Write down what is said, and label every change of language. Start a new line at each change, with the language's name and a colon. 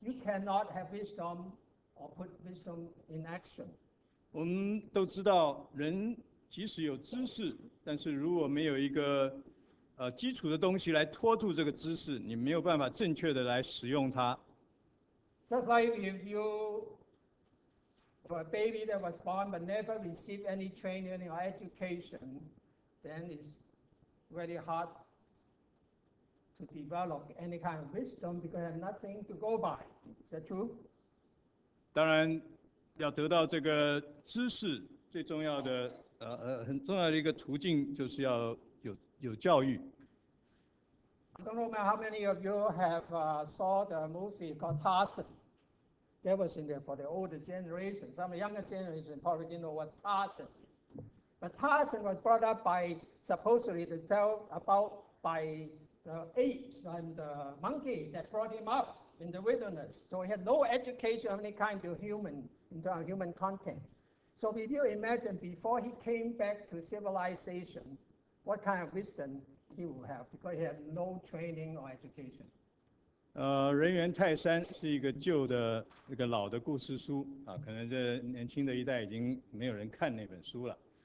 English: cannot have wisdom or put wisdom in action.
Chinese: 我们都知道，人即使有知识，但是如果没有一个基础的东西来托住这个知识，你没有办法正确的来使用它。
English: Just like if you for a baby that was born but never received any training or education, then it's very hard to develop any kind of wisdom because there's nothing to go by. Is that true?
Chinese: 当然，要得到这个知识，最重要的很重要的一个途径就是要有教育。
English: I don't know how many of you have saw the movie called Tarzan. That was in there for the older generation. Some younger generation probably didn't know what Tarzan is. But Tarzan was brought up by supposedly the tale about by the apes and the monkey that brought him up in the wilderness. So he had no education of any kind to human, in terms of human content. So if you imagine before he came back to civilization, what kind of wisdom he would have because he had no training or education.
Chinese: 人猿泰山是一个旧的那个老的故事书啊，可能这年轻的一代已经没有人看那本书了。